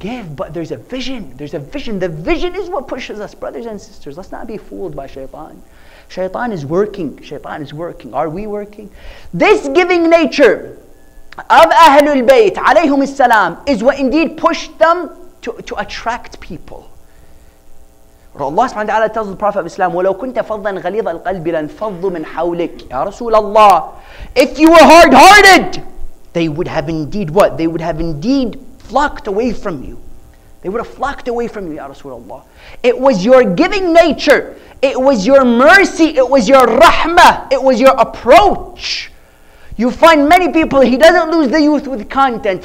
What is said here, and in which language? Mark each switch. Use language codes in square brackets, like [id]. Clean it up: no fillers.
[en] Give, but there's a vision. There's a vision. The vision is what pushes us, brothers and sisters. Let's not be fooled by shaitan. Shaitan is working. Shaitan is working. Are we working? This giving nature of Ahlul Bayt, alayhum as-salam, is what indeed pushed them to attract people. Allah subhanahu wa ta'ala tells the Prophet of Islam, [ar] وَلَوْ كُنْتَ فَضًّا غَلِيظَ الْقَلْبِ لَنْفَضُّ مِنْ حَوْلِكَ يَا رَسُولَ اللَّهِ. [en] If you were hard-hearted, they would have indeed what? They would have indeed flocked away from you. They would have flocked away from you, Ya Rasulullah. It was your giving nature. It was your mercy. It was your rahmah. It was your approach. You find many people, he doesn't lose the youth with content.